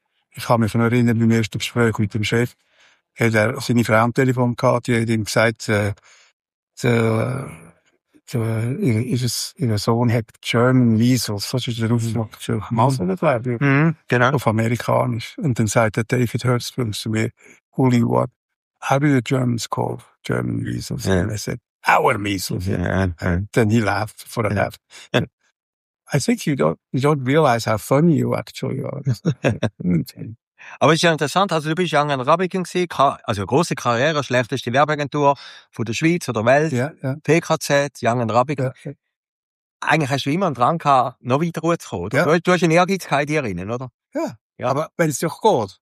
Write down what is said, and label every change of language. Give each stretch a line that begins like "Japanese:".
German: Ich kann mich noch erinnern, beim ersten Gespräch mit dem Chef, hat er seine Frau am Telefon gehabt, die hat ihm gesagt, ihr Sohn hat German Measles, so ist der Ausdruck, auf Amerikanisch. Und dann sagt er, David Hertzberg zu mir,
English: who do you want? How do the Germans call German Measles? Yeah. And I said, our Measles. Yeah. And then he laughed for a laugh. Yeah. I think you don't realize how funny you actually are.
German: Aber es ist ja interessant, also du bist ja in Rabigen gewesen, also eine grosse Karriere, schlechteste Werbeagentur von der Schweiz oder Welt, PKZ, Young & Rabigen. Ja. Eigentlich hast du immer einen Drang gehabt, noch weiter rauszukommen. Ja. Du hast eine Ehrgeiz gehabt hier drin, oder? Ja. Aber wenn es doch geht.